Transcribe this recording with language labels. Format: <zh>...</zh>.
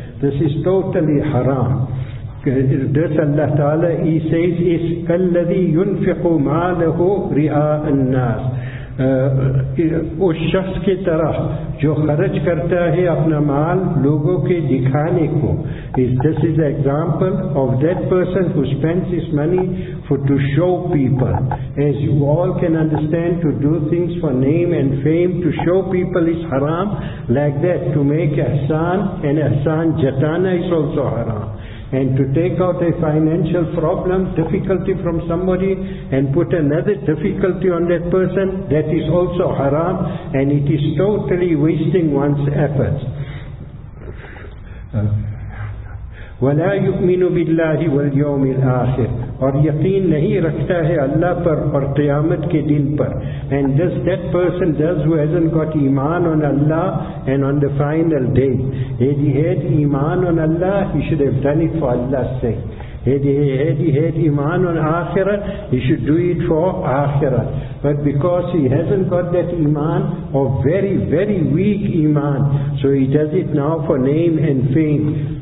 <en>This is totally haram. This Allah Ta'ala, he says, is</en> <ar>كَالَّذِي يُنْفِقُ مَالَهُ رِعَاءَ النَّاسِ.</ar> <ur>اس شخص کی طرح جو خرچ کرتا ہے اپنا مال لوگوں کے دکھانے کو.</ur> <en>This is an example of that person who spends his money for to show people. As you all can understand, to do things for name and fame, to show people is haram. Like that, to make ahsan and</en> <ur>ahsan jatana</ur> <en>is also haram. And to take out a financial problem, difficulty from somebody, and put another difficulty on that person, that is also haram, and it is totally wasting one's efforts.</en> <ar>وَلَا يُؤْمِنُ بِاللَّهِ وَالْيَوْمِ الْآخِرِ.</ar> <ur>اور یقین نہیں رکھتا ہے اللہ پر اور قیامت کے دن پر.</ur> <en>And does that person does who hasn't got iman on Allah and on the final day. Had he had iman on Allah, he should have done it for Allah's sake. Had he had iman on akhirah, he should do it for akhirah. But because he hasn't got that iman, or very, very weak iman, so he does it now for name and fame.</en>